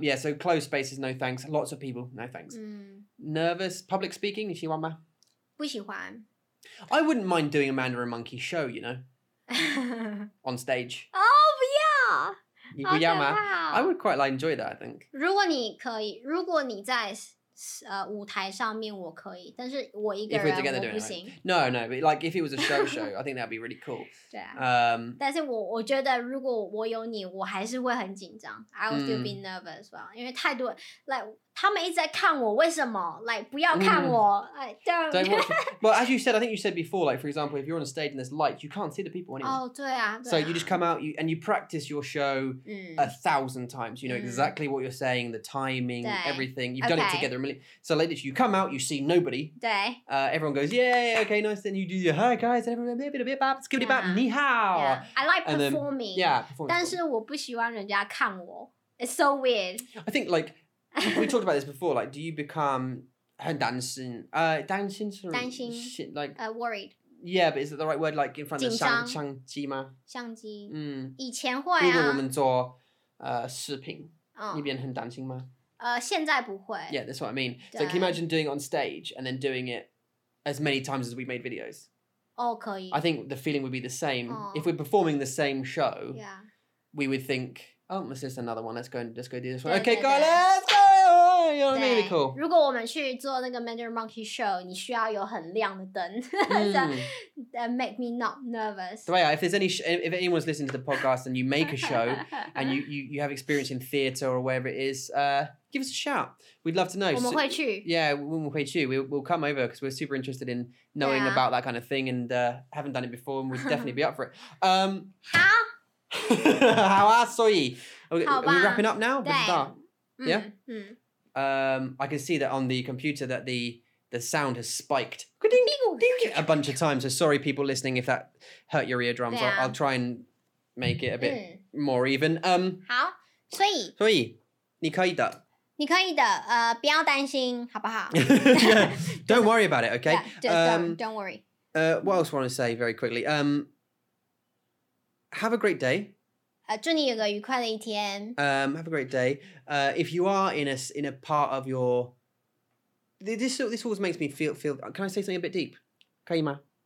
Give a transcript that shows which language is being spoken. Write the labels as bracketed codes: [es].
[en] Yeah, so closed spaces, no thanks. Lots of people, no thanks. Nervous, public speaking, [zh] 你喜欢吗? 不喜欢。 [en] I wouldn't mind doing a Mandarin Monkey show, you know? On stage. [zh] Oh, 不要! 你不要吗? [en] I would quite like enjoy that, I think. [zh] 如果你可以,如果你在舞台上面我可以,但是我一个人 [en] if we're together [zh] 我不行。 [en] Doing it, No, but like if it was a show, I think that'd be really cool. [zh] 对啊。但是我觉得如果我有你,我还是会很紧张。 [en] I would still be nervous as well. [zh] 因为太多 [en] like, [zh] 他们一直在看我,为什么? Like, 不要看我。 [en] Don't watch me. Well, as you said, I think you said before, like for example, if you're on a stage and there's lights, you can't see the people anymore. [zh] Oh, 对啊。 [en] So you just come out and you practice your show 1,000 times. You know exactly what you're saying, the timing, everything. You've done it together. So like this, you come out, you see nobody. Everyone goes, yay, okay, nice. Then you do your, hi guys, and everyone, bip, skibidi bap, ni hao. I like performing. Then, yeah, performing. [zh] 但是我不喜欢人家看我. [en] It's so weird. I think like, we talked about this before, like do you become [zh] 很担心, 担心, [en] sorry, [zh] 担心, [en] shit, like, worried. Yeah, but is it the right word, like in front [zh] 紧张, of 相机吗? 相机. 嗯, 以前会啊。如果我们做视频, 你变很担心吗? 现在不会。 [en] Yeah, that's what I mean. So can you imagine doing it on stage and then doing it as many times as we made videos? [zh] Oh, 可以。 [en] I think the feeling would be the same. Oh. If we're performing the same show, we would think, oh, this is another one. Let's go do this one. Okay, go, let's go! You know, really cool. [zh] 如果我们去做那个 Mandarin Monkey Show, 你需要有很亮的灯。 [en] That make me not nervous. So yeah, if anyone's listening to the podcast and you make a show and you have experience in theatre or wherever it is, give us a shout. We'd love to know. [zh] 我们会去。 Yeah, 我们会去。 [en] We'll come over because we're super interested in knowing about that kind of thing and haven't done it before and we'd definitely be up for it. How? How are you? Are we wrapping up now? Yeah? I can see that on the computer that the sound has spiked a bunch of times. So sorry, people listening, if that hurt your eardrums. I'll try and make it a bit more even. [zh] 好，所以你可以的。你可以的，不要担心，好不好？ [en] Don't worry about it, okay? Don't worry. What else I want to say very quickly? Have a great day. [zh] 祝你有个愉快的一天。 [en] Have a great day. If you are in a part of your... This always makes me feel... Can I say something a bit deep? [zh] 可以吗?